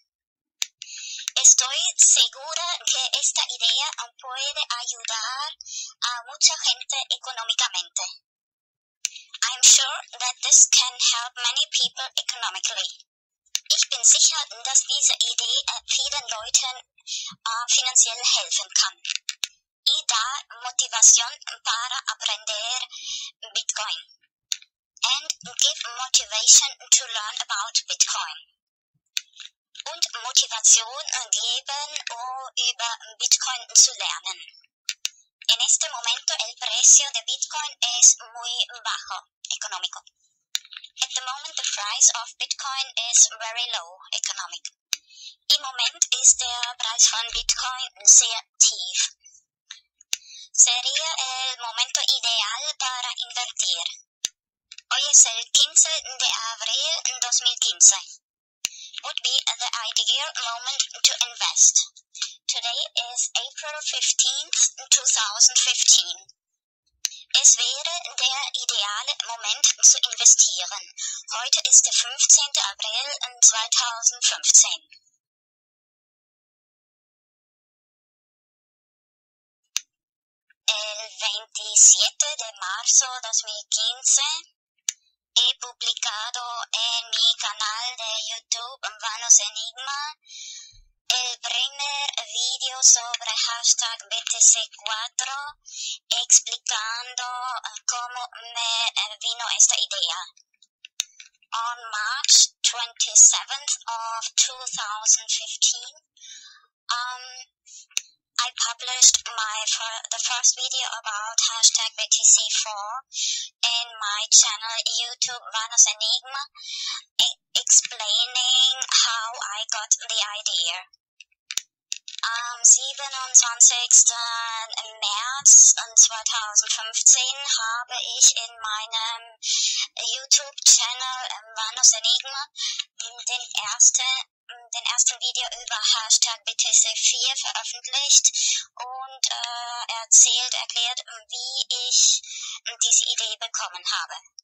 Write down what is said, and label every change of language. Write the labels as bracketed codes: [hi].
[es] Estoy segura que esta idea puede ayudar a mucha gente económicamente. [en] I'm sure that this can help many people economically. [de] Ich bin sicher, dass diese Idee vielen Leuten finanziell helfen kann. [es] Y da motivación para aprender Bitcoin. [en] And give motivation to learn about Bitcoin. [de] Und Motivation geben, über Bitcoin zu lernen. [es] En este momento el precio de Bitcoin es muy bajo, económico. [en] At the moment, the price of Bitcoin is very low, economic. [de] Im Moment ist der Preis von Bitcoin sehr tief. [es] Sería el momento ideal para invertir. Hoy es el 15 de abril 2015. [en] Would be the ideal moment to invest. Today is April 15th, 2015. [de] Es wäre der ideale Moment zu investieren. Heute ist der 15. April 2015. [es] El 27 de marzo 2015 he publicado en mi canal de YouTube VanosEnigmA el primer video sobre hashtag BTC4 explicando cómo me vino esta idea. [en] On March 27th of 2015, I published the first video about hashtag BTC4 in my channel YouTube VanosEnigmA explaining how I got the idea. [de] Am 27. März 2015 habe ich in meinem YouTube-Channel VanosEnigmA den ersten Video über Hashtag BTC4 veröffentlicht und erklärt, wie ich diese Idee bekommen habe.